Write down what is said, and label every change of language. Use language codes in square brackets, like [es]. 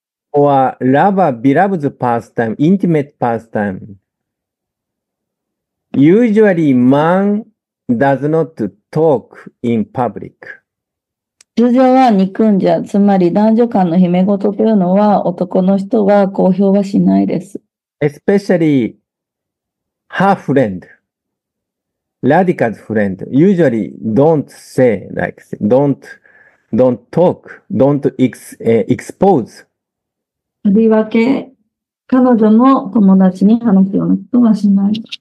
[en] Or lover beloved's pastime, intimate pastime. Usually, man does not talk in public. [ja] 通常は憎んじゃ、つまり男女間の秘め事というのは男の人は公表はしないです。 [en] Especially her friend, Radhika's friend, usually don't say like, don't talk, don't expose. [ja] とりわけ彼女の友達に話すようなことはしない。